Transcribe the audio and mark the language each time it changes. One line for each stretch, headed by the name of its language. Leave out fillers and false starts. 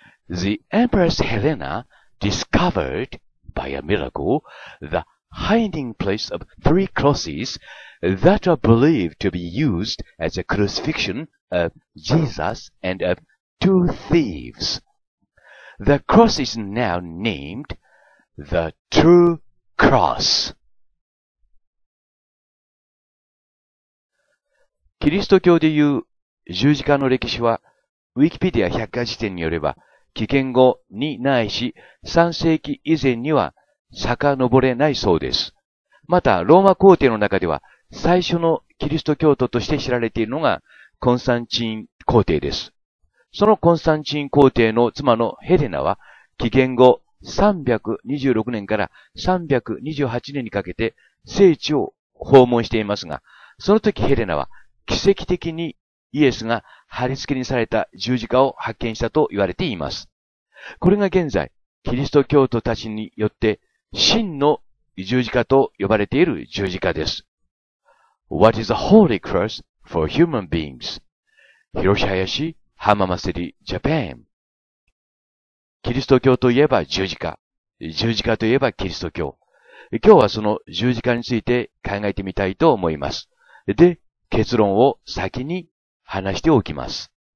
English: The Empress Helena discovered, by a miracle, the hiding place of three crosses that are believed to be used as a crucifixion of Jesus and of two thieves. The cross is now named the True Cross.
Japanese: キリスト教でいう十字架の歴史は、ウィキペディア百科事典によれば、紀元後にないし3世紀以前には遡れないそうです。また、ローマ皇帝の中では最初のキリスト教徒として知られているのがコンスタンチン皇帝です。そのコンスタンチン皇帝の妻のヘレナは、紀元後326年から328年にかけて聖地を訪問していますが、その時ヘレナは奇跡的にイエスが貼り付けにされた十字架を発見したと言われています。これが現在、キリスト教徒たちによって真の十字架と呼ばれている十字架です。
English: What is a holy cross for human beings?
Japanese: 広瀬林、浜松り、ジャパン。キリスト教といえば十字架。十字架といえばキリスト教。今日はその十字架について考えてみたいと思います。で、結論を先に話しておきます。